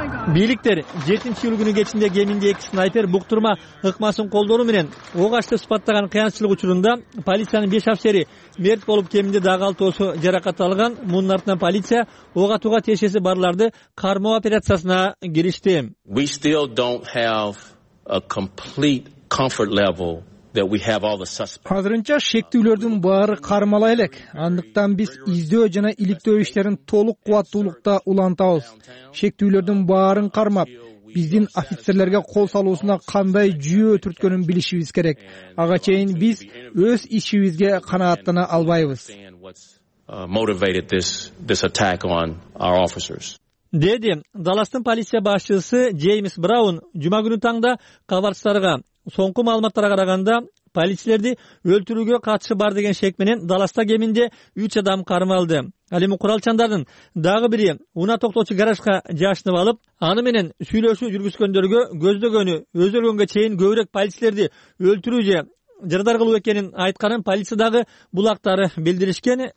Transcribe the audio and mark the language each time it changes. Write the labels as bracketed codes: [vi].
[ky] Бийликтер 7 июль күнү кечинде кеминде 2 снайпер буктурма ыкмасын колдонуу менен ок ачты сыпаттаган кыянчылык учурунда полициянын 5 офицери мерт болуп, кеминде дагы 6 жаракат алган. Мунун артынан полиция ок атууга тиешеси барларды кармоо операциясына киришти. [en] We still don't have a complete comfort level that we have all the suspects. [ky] Азырынча шектүүлөрдүн баары кармала элек. Андыктан биз издөө жана иликтөө иштерин толук кубаттуулукта улантабыз. Шектүүлөрдүн баарын кармап, биздин офицерлерге кол салуусуна кандай жүйө өтүрткөнүн билишибиз керек. Ага чейин биз өз ишибизге канааттана албайбыз. [en] Motivated this attack on our officers. [ky] Деди Далластын полиция башчысы Джеймс Браун жума күнү таңда кабарчыларга. Соңку маалыматтарга караганда полицейлерди өлтүрүүгө катышы бар деген шек менен Далласта кеминде 3 адам кармалды. Ал эми куралчандардын дагы бири унаа токтоочу гаражга жашынып алып, аны менен сүйлөшүү жүргүзгөндөргө көздөгөнү өзгөргөнгө чейин көбүрөөк полицейлерди өлтүрүү же жардар кылуу экенин айтканын полиция дагы булактары билдиришкен.